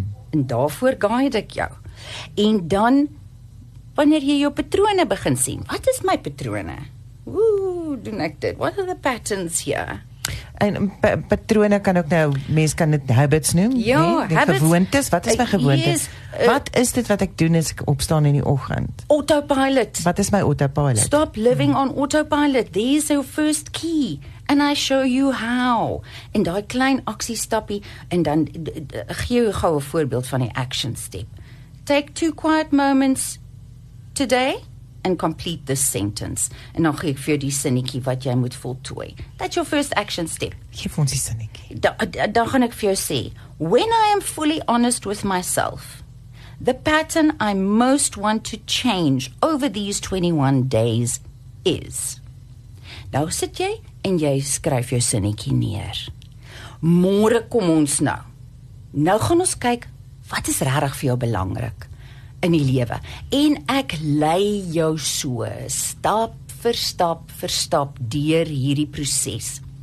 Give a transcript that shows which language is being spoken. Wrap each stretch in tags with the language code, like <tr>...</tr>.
<af>En daarvoor guide ek jou. En dan wanneer jy jou patrone begin sien. Wat is my patrone? Hoe doen ek dit?</af> <en>What are the patterns here?</en> <af>En patrone kan ook nou, mens kan dit habits noem, ja, nie? Habits, gewoontes, wat is my gewoontes? Wat is dit wat ek doen as ek opstaan in die oggend?</af> <en>Autopilot.</en> <af>Wat is my autopilot?</af> <en>Stop living on autopilot, there's your first key, and I show you how.</en> <af>En die klein aksiestappie, en dan gee jou gauw 'n voorbeeld van die action step.</af> <en>Take 2 quiet moments today, and complete this sentence.</en> <af>En dan gee ek vir die sinnetjie wat jy moet voltooi.</af> <en>That's your first action step.</en> <af>Geef ons die sinnetjie. Dan gaan ek vir jou sê,</af> <en>when I am fully honest with myself, The pattern I most want to change over these 21 days is.</en> <af>Nou sit jy en jy skryf jou sinnetjie neer. Môre kom ons nou. Nou gaan ons kyk wat is regtig vir jou belangrik in die lewe. En ek lei jou so stap vir stap vir stap deur hierdie proses.</af>